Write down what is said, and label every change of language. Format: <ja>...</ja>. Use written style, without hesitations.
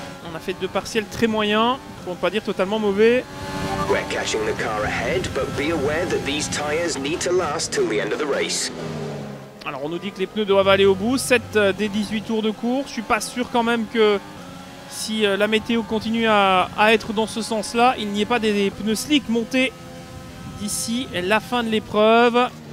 <fr>On a fait deux partiels très moyens, pour ne pas dire totalement mauvais.</fr> <en>We're catching the car ahead, but be aware that these tires need to last till the end of the race.</en> <fr>Alors on nous dit que les pneus doivent aller au bout, 7 des 18 tours de course. Je suis pas sûr quand même que si la météo continue à être dans ce sens-là, il n'y ait pas des pneus slick montés d'ici la fin de l'épreuve.</fr>